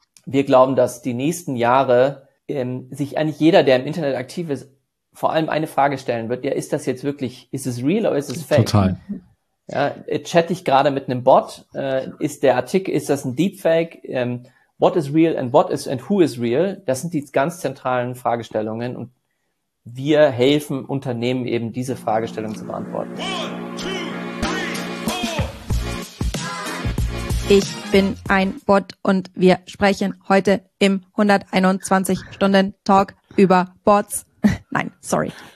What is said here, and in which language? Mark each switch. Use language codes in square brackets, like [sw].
[de] Wir glauben, dass die nächsten Jahre sich eigentlich jeder, der im Internet aktiv ist, vor allem eine Frage stellen wird: Ja, ist das jetzt wirklich, ist es real oder ist es fake? Total. Ja, chatte ich gerade mit einem Bot? Ist der Artikel, ist das ein Deepfake? [en] What is real and what is and who is real? [de] Das sind die ganz zentralen Fragestellungen und wir helfen Unternehmen eben, diese Fragestellung zu beantworten. Ich bin ein Bot und wir sprechen heute im 121-Stunden-Talk über Bots. Nein, sorry.